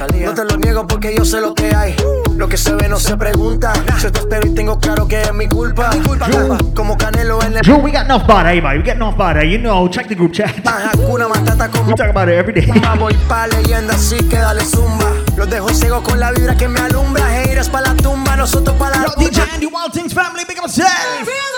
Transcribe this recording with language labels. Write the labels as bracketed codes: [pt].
[es] No te lo niego porque yo sé lo que hay. Lo que se ve no se pregunta, nah. Yo te espero y tengo claro que es mi culpa, mi culpa. Drew, como Canelo en el [en] Drew, we got enough body, baby. We got enough body, you know, check the group chat. [es] Hakuna Matata como [en] we talk about it every day. [es] Voy pa' leyenda, así que dale zumba. Los dejo ciego con la vibra que me alumbra. Haters pa' la tumba, nosotros pa' la [en] Yo, DJ Andy, Wild Things Family, big up yourself.